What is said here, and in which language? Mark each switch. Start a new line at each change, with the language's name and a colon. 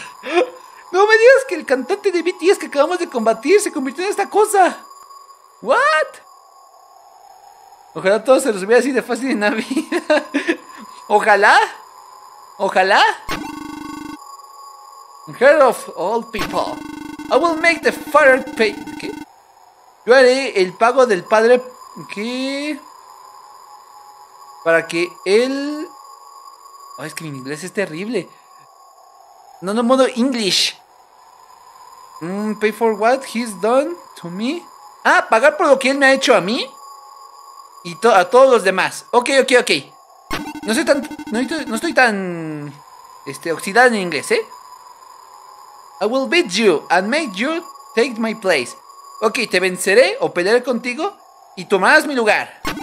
Spanish: ¡No me digas que el cantante de BTS que acabamos de combatir se convirtió en esta cosa! ¿What? Ojalá todo se resolviera así de fácil en la vida. Ojalá. Ojalá.
English: Heart of all people, I will make the father pay.
Spanish: ¿Qué? Yo haré el pago del padre. ¿Qué? Para que él. Ay, es que mi inglés es terrible. No, no, modo English.
English: Pay for what he's done to me.
Spanish: Ah, pagar por lo que él me ha hecho a mí y a todos los demás. Ok, ok, ok. No soy tan. No estoy tan. Oxidada en inglés, ¿eh?
English: I will beat you and make you take my place.
Spanish: Ok, te venceré o pelearé contigo y tomarás mi lugar.